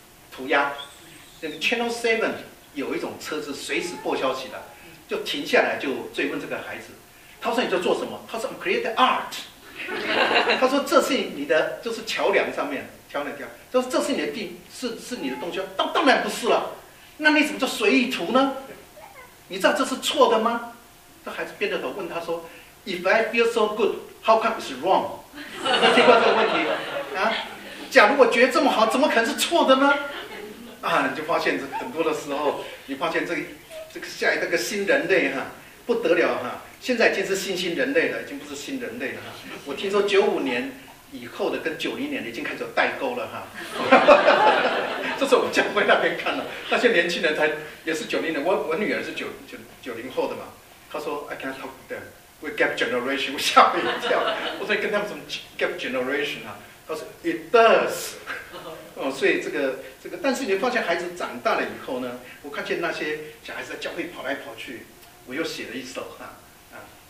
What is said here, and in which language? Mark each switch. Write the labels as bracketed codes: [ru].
[zh] 涂鸦，那个 Channel 7有一种车子随时播消息的，就停下来就追问这个孩子，他说你在做什么？他说 [en] create art， [zh] 他说这是你的就是桥梁上面桥梁掉，就是这是你的地是你的东西，当然不是了，那你怎么叫随意涂呢？你知道这是错的吗？这孩子变着头问他说 ， [en] If I feel so good, how come it's wrong？ [zh] 你听过这个问题啊？假如我觉得这么好，怎么可能是错的呢？啊，你就发现这很多的时候，你发现这个下一个新人类哈、啊，不得了哈、啊！现在已经是新人类了，已经不是新人类了哈、啊。我听说95年以后的跟90年已经开始有代沟了哈。啊、这是我们江辉那边看了，那些年轻人才也是90年，我女儿是九零后的嘛。她说 [en] I can't talk to them, we gap generation， [zh] 我吓了一跳。我说跟他们什么 [en] gap generation [zh] 啊？他说 [en] ：“It does。” [zh] 哦，所以这个，但是你发现孩子长大了以后呢，我看见那些小孩子在教会跑来跑去，我又写了一首哈啊。